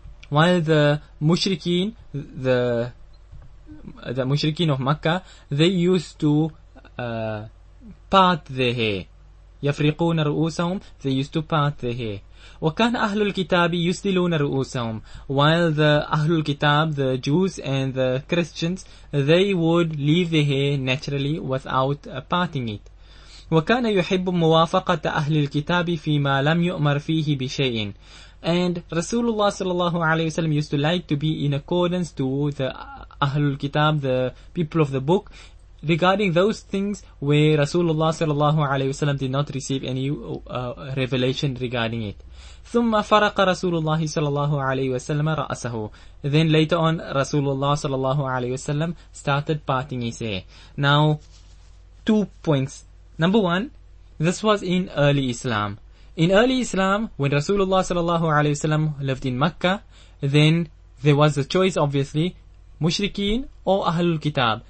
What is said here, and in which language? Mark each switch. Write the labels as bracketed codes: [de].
[en] While the mushrikeen, the mushrikeen of Mecca, they used to part their hair. [ar] يَفْرِقُونَ رُؤُوسَهُمْ. [en] They used to part their hair. [ar] وَكَانَ أَهْلُ الْكِتَابِ يُسْتِلُونَ رُؤُوسَهُمْ. [en] While the Ahlul Kitab, the Jews and the Christians, they would leave their hair naturally without parting it. [ar] وكان يحب موافقة أهل الكتاب فيما لم يؤمر فيه بشيء. [en] And Rasulullah sallallahu alayhi wa sallam used to like to be in accordance to the Ahlul Kitab, the people of the book, regarding those things where Rasulullah sallallahu alayhi wa sallam did not receive any revelation regarding it. [ar] ثم فرق رسول الله صلى الله عليه وسلم رأسه. [en] Then later on, Rasulullah sallallahu alayhi wa sallam started parting his hair. Now, two points. Number one, this was in early Islam. In early Islam, when Rasulullah sallallahu alayhi wasallam lived in Mecca, then there was a choice, obviously, mushrikeen or Ahlul Kitab.